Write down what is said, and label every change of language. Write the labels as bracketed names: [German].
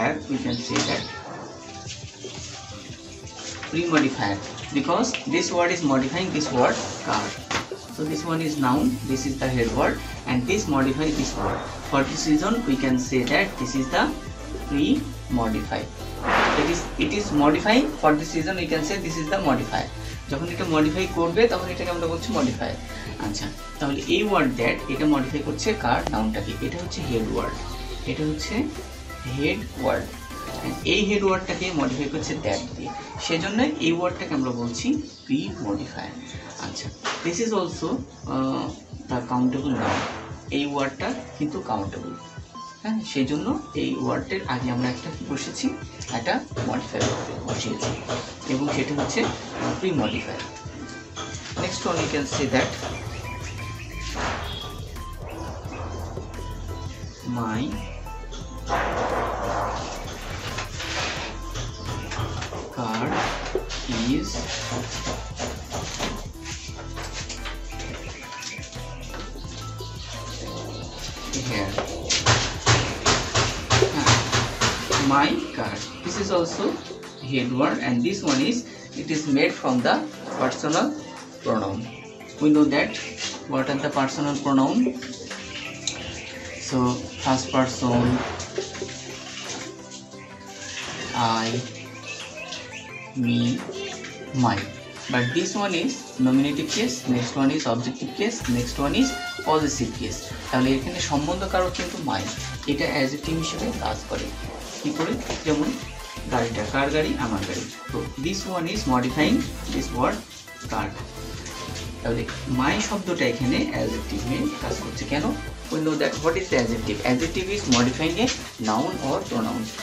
[English] we can say that pre modifier, because this word is modifying this word car, so So this one is noun, this is the head word, and this modifier is verb. For this reason, we can say that this is the pre-modified. It is modifying. For this reason, we can say this is the modifier. [Bangla] যখন এটা modify করবে তখন এটাকে আমরা বলছি modifier আচ্ছা তাহলে এই ওয়ার্ড দ্যাট এটা মডিফাই করছে কার নাউনটাকে এটা হচ্ছে হেড ওয়ার্ড এটা হচ্ছে হেড ওয়ার্ড এই হেড ওয়ার্ডটাকে মডিফাই করছে দ্যাট দিয়ে সেজন্য এই ওয়ার্ডটাকে আমরা বলছি প্রি মডিফায়ার আচ্ছা [English] this is also the countable noun [Bangla] এই ওয়ার্ডটা কিন্তু কাউন্টেবল হ্যাঁ সেই জন্য এই ওয়ার্ডের আগে আমরা একটা কি বসেছি একটা মডিফায়ার বসিয়েছি এবং সেটা হচ্ছে pre modifier [English] Next one you can see that my card is here My card. This is also head word, and this one is it is made from the personal pronoun. We know that what are the personal pronoun? So first person, I, me, my. But this one is nominative case. Next one is objective case. Next one is possessive case. [Bangla] তাহলে এখানে সম্বন্ধ কার হচ্ছে তো my. এটা adjective হিসেবে কাজ করে. কী করে যেমন গাড়িটা কার গাড়ি আমার গাড়ি তো [English] this one is modifying this word car [Bangla] তাহলে মাই শব্দটা এখানে অ্যাডজেক্টিভ নিয়ে কাজ করছে কেন [English] we know that what is the adjective adjective is modifying a noun or pronoun